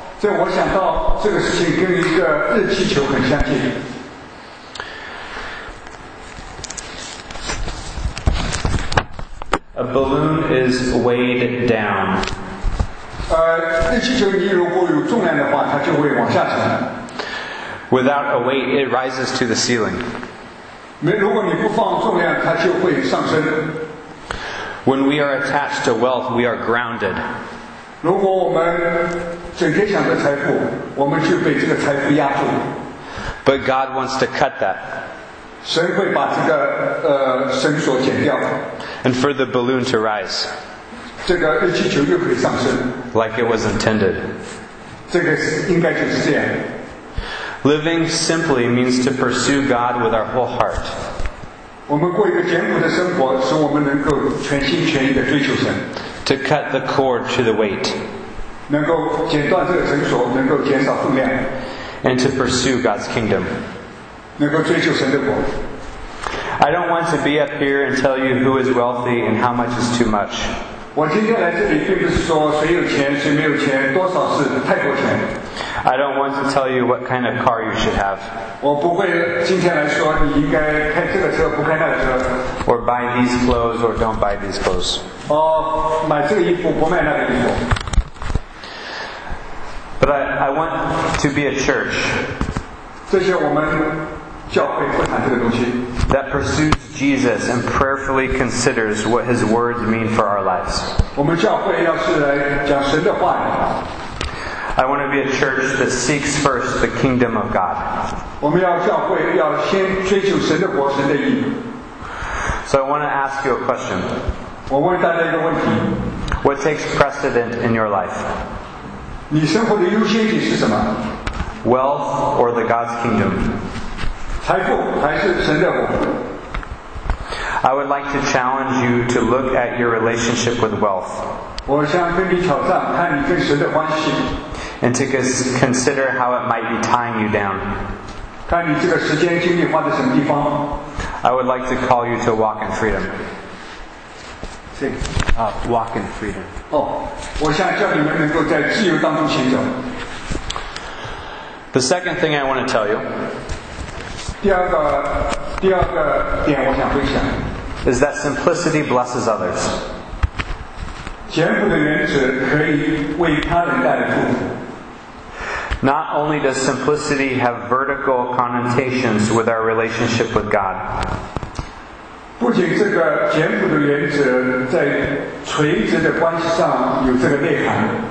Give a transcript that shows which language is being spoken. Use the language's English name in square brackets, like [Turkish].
[Chinese] 所以我想到这个事情跟一个热气球很相近。 [English] A balloon is weighed down. [Chinese] 热气球你如果有重量的话，它就会往下沉。 [English] Without a weight, it rises to the ceiling. [Chinese] 如果你不放重量，它就会上升。 [English] When we are attached to wealth, we are grounded. [Chinese] 如果我们整天想着财富，我们就被这个财富压住。 [English] But God wants to cut that. [Chinese] 神会把这个绳索剪掉。 [English] And for the balloon to rise. [Chinese] 这个热气球又可以上升。 [English] Like it was intended. [Chinese] 这个应该就是这样。 [English] Living simply means to pursue God with our whole heart. [Chinese] 我们过一个简朴的生活，使我们能够全心全意地追求神。 [English] To cut the cord to the weight. [Chinese] 能够剪断这个绳索，能够减少分量。 [English] And to pursue God's kingdom. [Chinese] 能够追求神的国。 [English] I don't want to be up here and tell you who is wealthy and how much is too much. [Chinese] 我今天来这里并不是说谁有钱，谁没有钱，多少是太多钱。 [English] I don't want to tell you what kind of car you should have. [Chinese] 我不会今天来说你应该开这个车，不开那个车。 [English] Or buy these clothes or don't buy these clothes. [Chinese] 哦，买这个衣服不卖那个衣服。 [English] But I want to be a church. [Chinese] 这些我们教会不谈这个东西。 [English] That pursues Jesus and prayerfully considers what His words mean for our lives. [Chinese] 我们教会要是来讲神的话。 [English] I want to be a church that seeks first the kingdom of God. [Chinese] 我们要教会要先追求神的国，神的义。 [English] So I want to ask you a question. [Chinese] 我问大家一个问题。 [English] What takes precedent in your life? [Chinese] 你生活的优先级是什么？ [English] Wealth or the God's kingdom? [Chinese] 财富还是神的国？ [English] I would like to challenge you to look at your relationship with wealth. [Chinese] 我想跟你挑战，看你跟神的关系。 [English] And to consider how it might be tying you down. [Chinese] 看你这个时间精力花在什么地方。 [English] I would like to call you to walk in freedom. See. Walk in freedom. [Chinese] 我想叫你们能够在自由当中行走。 [English] The second thing I want to tell you. [Chinese] 第二个点我想分享。 [English] Is that simplicity blesses others. [Chinese] 简朴的原则可以为他人带来祝福。 [English] Not only does simplicity have vertical connotations with our relationship with God. [Chinese] 不仅这个简朴的原则在垂直的关系上有这个内涵。